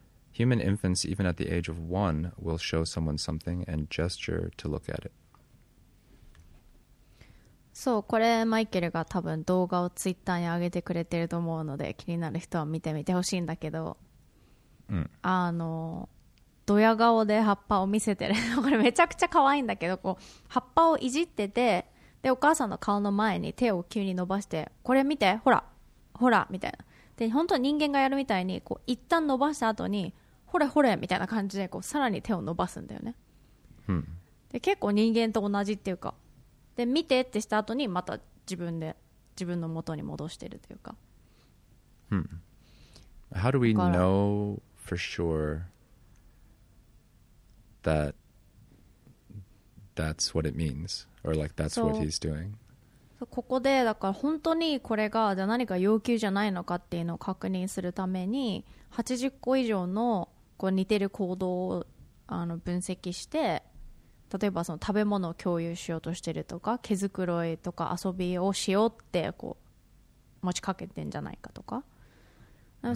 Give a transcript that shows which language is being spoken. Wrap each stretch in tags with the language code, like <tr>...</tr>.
<en>Human infants, even at the age of one, will show someone something and gesture to look at it.</en> <ja>そう、これマイケルが多分動画をツイッターに上げてくれてると思うので、気になる人は見てみてほしいんだけど、うん、あのドヤ顔で葉っぱを見せてる。これめちゃくちゃ可愛いんだけど、こう葉っぱをいじってて、でお母さんの顔の前に手を急に伸ばして、これ見て、ほら、ほらみたいな。で、本当は人間がやるみたいに、こう一旦伸ばした後に、ほれほれみたいな感じで、こうさらに手を伸ばすんだよね。うん。で、結構人間と同じっていうか、で見てってした後にまた自分の元に戻してるというか。うん。</ja> <en>How do we know for sure that that's what it means? Or like that's what he's doing.</en> <ja>そう、ここでだから本当にこれがじゃ何か要求じゃないのかっていうのを確認するために80個以上のこう似てる行動をあの分析して、例えばその食べ物を共有しようとしてるとか毛づくろいとか遊びをしようってこう持ちかけてんじゃないかとか、mm.</ja>